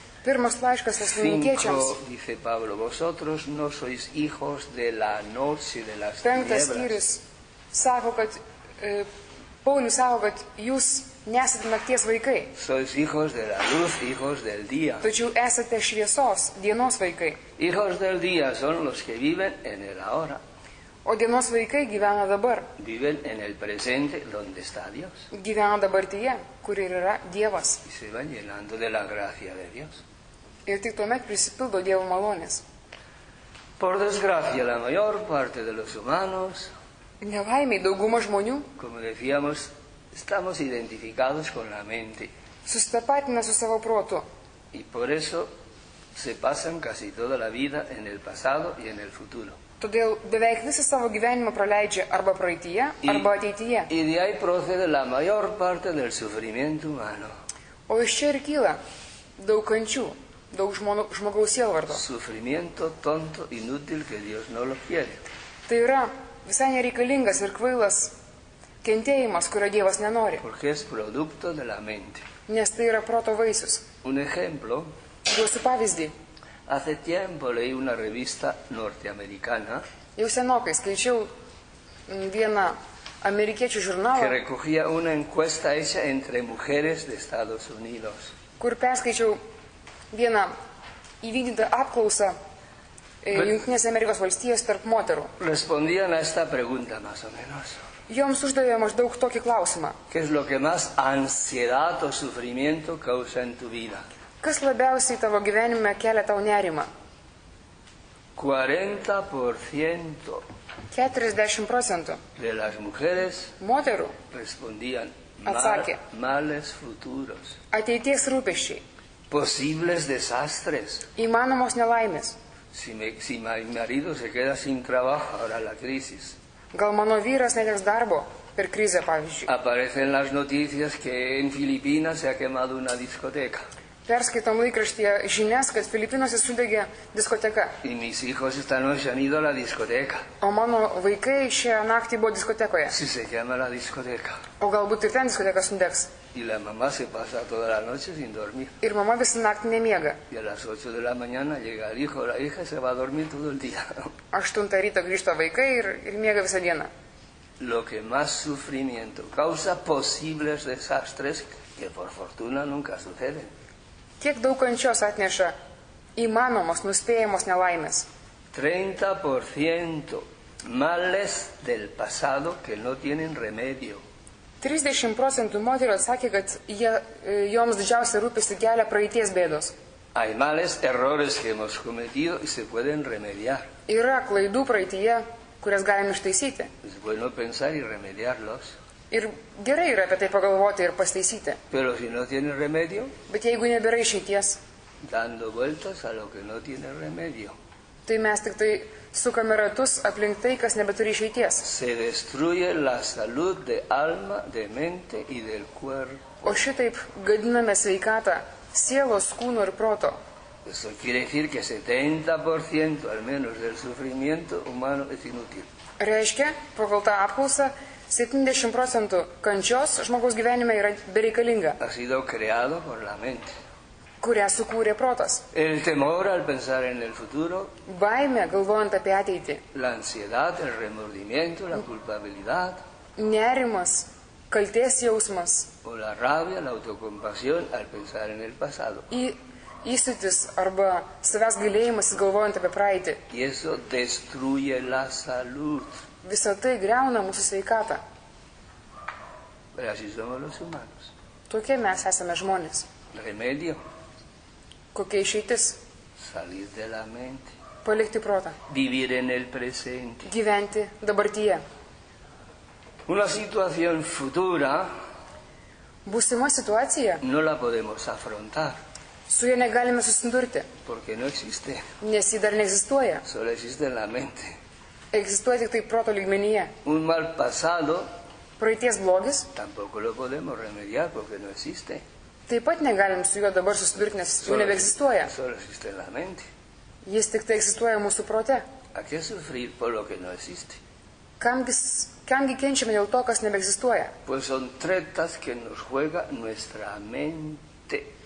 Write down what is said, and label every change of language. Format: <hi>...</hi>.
<lt>pirmas laiškas tesalonikiečiams,</lt> <es>dice Pablo, vosotros no sois hijos de la noche de las tinieblas.</es> <lt>Penktas skyrius sako, kad Paulius sako, kad jūs nesat nakties vaikai.</lt> <es>Sois hijos de la luz, hijos del día.</es> <lt>Tačiau esate šviesos, dienos vaikai.</lt> <es>Hijos del día son los que viven en el ahora.</es> <lt>O dienos vaikai gyvena dabar.</lt> <es>Viven en el presente donde está Dios.</es> <lt>Gyvena dabartyje, kur yra Dievas.</lt> <es>Y se van llenando de la gracia de Dios.</es> <lt>Ir tik tuomet prisipildo Dievo malonės.</lt> <es>Por desgracia, la mayor parte de los humanos,</es> <lt>nevaimiai dauguma žmonių,</lt> <es>como decíamos, estamos identificados con la mente.</es> <lt>Susitapatina su savo protu.</lt> <es>Y por eso se pasan casi toda la vida en el pasado y en el futuro.</es> <lt>Todėl beveik visą savo gyvenimą praleidžia arba praeityje, arba ateityje.</lt> <es>Y de ahí procede la mayor parte del sufrimiento humano.</es> <lt>O iš čia ir kyla daug kančių, daug žmogaus sielvardo.</lt> <es>Sufrimiento tonto, inútil, que Dios no lo quiere.</es> <lt>Tai yra visai nereikalingas ir kvailas kentėjimas, kurio Dievas nenori.</lt> <es>Porque es producto de la mente.</es> <lt>Nes tai yra proto vaisius.</lt> <es>Un ejemplo.</es> <lt>Duosiu pavyzdį.</lt> <es>Hace tiempo leí una revista norteamericana.</es> <lt>Jau senokai skaičiau vieną amerikiečių žurnalą.</lt> <es>Que recogía una encuesta hecha entre mujeres de Estados Unidos.</es> <lt>Kur perskaičiau vieną įvykdytą apklausą Jungtinės Amerikos valstijos tarp moterų.</lt> <es>Respondían a esta pregunta más o menos.</es> <lt>Joms uždavė maždaug tokį klausimą.</lt> <es>¿Qué es lo que más ansiedad o sufrimiento causa en tu vida?</es> <lt>Kas labiausiai tavo gyvenime kelia tau nerimą?</lt> <es>40%.</es> <lt>40%.</lt> <es>De las mujeres.</es> <lt>Moterų.</lt> <es>Respondían.</es> <lt>Atsakė.</lt> <es>Males futuros.</es> <lt>Ateities rūpesčiai.</lt> <es>Posibles desastres.</es> <lt>Įmanomos nelaimės.</lt> <es>Si mi marido se queda sin trabajo ahora la crisis.</es> <lt>Gal mano vyras neteks darbo. Per krizę, pavyzdžiui.</lt> <es>Aparecen las noticias que en Filipinas se ha quemado una discoteca.</es> <lt>Perskaitom laikraštyje žinias, kad Filipinose sudegė diskoteka.</lt> <es>Y mis hijos esta noche han ido a la discoteca.</es> <lt>O mano vaikai šią naktį buvo diskotekoje.</lt> <es>Si se quema la discoteca.</es> <lt>O galbūt ir ten diskoteka sudegs.</lt> <es>Y la mamá se pasa toda la noche sin dormir.</es> <lt>Ir mama visą naktį nemiega.</lt> <es>Y a las 8 de la mañana llega el hijo o la hija y se va a dormir todo el día.</es> <lt>8 ryto grįžta vaikai ir miega visą dieną.</lt> <es>Lo que más sufrimiento causa posibles desastres que por fortuna nunca suceden.</es> <lt>Kiek daug kančios atneša įmanomos, nuspėjamos nelaimės.</lt> <es>30% males del pasado que no tienen remedio.</es> <lt>30% moterų atsakė, kad joms didžiausia rūpestį kelia praeities bėdos.</lt> <es>Hay males, errores que hemos cometido y se pueden remediar.</es> <lt>Yra klaidų praeityje, kurias galime ištaisyti.</lt> <es>Es bueno pensar y remediarlos.</es> <lt>Ir gerai yra apie tai pagalvoti ir pasteisyti.</lt> <es>Pero si no tiene remedio.</es> <lt>Bet jeigu nebėra išeities.</lt> <es>Dando vueltas a lo que no tiene remedio.</es> <lt>Tai mes tik tai sukame ratus aplink tai, kas nebeturi išeities.</lt> <es>Se destruye la salud de alma, de mente y del cuerpo.</es> <lt>O šitaip gadiname sveikatą, sielos, kūno ir proto.</lt> <es>Eso quiere decir que 70% al menos del sufrimiento humano es inútil.</es> <lt>Reiškia, pagal tą apklausą, 70% kančios žmogaus gyvenime yra bereikalinga.</lt> <es>Ha sido creado por la mente.</es> <lt>Kurią sukūrė protas.</lt> <es>El temor al pensar en el futuro.</es> <lt>Baimė galvojant apie ateitį.</lt> <es>La ansiedad, el remordimiento, la culpabilidad.</es> <lt>Nerimas, kaltės jausmas.</lt> <es>O la rabia, la autocompasión al pensar en el pasado. Y</es> <lt>įsitis arba savęs gailėjimas galvojant apie praeitį.</lt> <es>Eso destruye la salud.</es> <lt>Visa tai greuna mūsų sveikatą.</lt> <es>Así somos los humanos.</es> <lt>Tokie mes esame žmonės.</lt> <es>Remedio.</es> <lt>Kokia išeitis?</lt> <es>Salir de la mente.</es> <lt>Palikti protą.</lt> <es>Vivir en el presente.</es> <lt>Gyventi dabartyje.</lt> <es>Una situación futura.</es> <lt>Būsima situacija.</lt> <es>No la podemos afrontar.</es> <lt>Su ja negalime susidurti.</lt> <es>Porque no existe.</es> <lt>Nes ji dar neegzistuoja.</lt> <es>Solo existe en la mente.</es> <lt>Egzistuoja tik tai proto lygmenyje.</lt> <es>Un mal pasado.</es> <lt>Praeities blogis.</lt> <es>Tampoco lo podemos remediar porque no existe.</es> <lt>Taip pat negalim su juo dabar susidurti, nes jau nebeegzistuoja.</lt> <es>Solo existe en la mente.</es> <lt>Jis tik tai egzistuoja mūsų prote.</lt> <es>¿A qué sufrir por lo que no existe?</es> <lt>Kamgi kenčiame dėl to, kas nebeegzistuoja?</lt> <es>Pues son tretas que nos juega nuestra mente.</es>